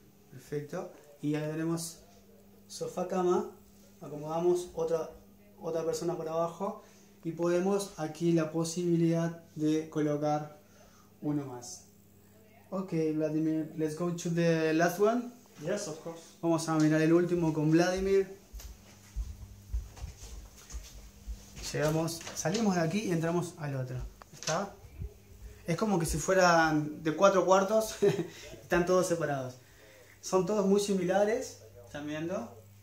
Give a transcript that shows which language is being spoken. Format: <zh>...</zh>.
<es>Perfecto, y ahí tenemos sofá cama, acomodamos otra persona por abajo y podemos aquí la posibilidad de colocar uno más.</es> <en>Ok, Vladimir, let's go to the last one. Yes, of course.</en> <es>Vamos a mirar el último con Vladimir. Llegamos, salimos de aquí y entramos al otro. ¿Está? Es como que si fueran de cuatro cuartos, están todos separados. Son todos muy similares, ¿están viendo?</es>